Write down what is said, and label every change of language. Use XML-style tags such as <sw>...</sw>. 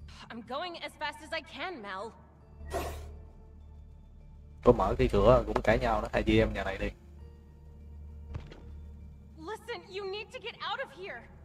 <en>I'm going as fast as I can, Mel.</en> <vi>Tôi mở cái cửa cũng cãi nhau đó, hai chị em nhà này đi.</vi> <en>Listen, you need to get out of here.</en>